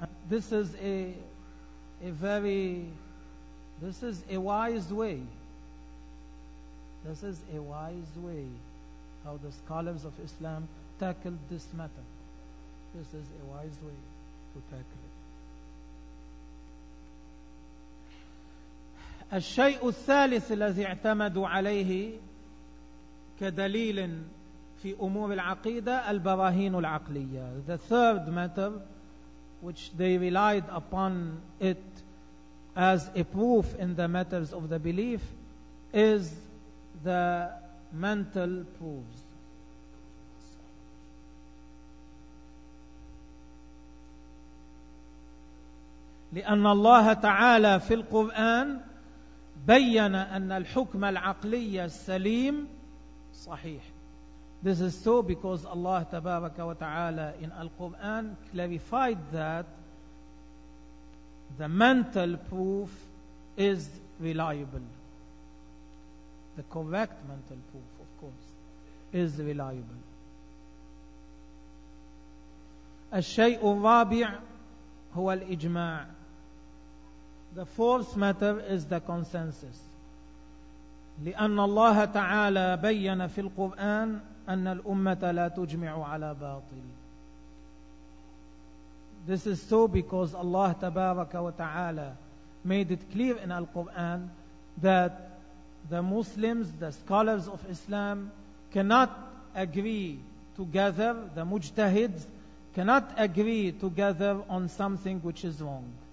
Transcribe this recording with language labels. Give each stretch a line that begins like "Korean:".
English: This is a wise way. This is a wise way how the scholars of Islam tackled this matter. This is a wise way to tackle it.
Arabic: الشيء الثالث الذي اعتمدوا عليه كدليل في أمور العقيدة البراهين العقلية.
English: The third matter which they relied upon it as a proof in the matters of the belief is the mental proofs.
Arabic: لأن الله تعالى في القرآن بيّن أن الحكم العقلي السليم صحيح.
English: This is so because Allah Tabaraka wa Ta'ala in Al-Quran clarified that the mental proof is reliable. The correct mental proof, of course, is reliable.
Arabic: الشيء الرابع هو الإجماع.
English: The fourth matter is the consensus.
Arabic: لأن الله تعالى بيّن في القرآن أن الأمة لا تجمع على باطل.
English: This is so because Allah Tabaraka wa Ta'ala made it clear in Al-Quran that the Muslims, the scholars of Islam, cannot agree together, the mujtahids cannot agree together on something which is wrong.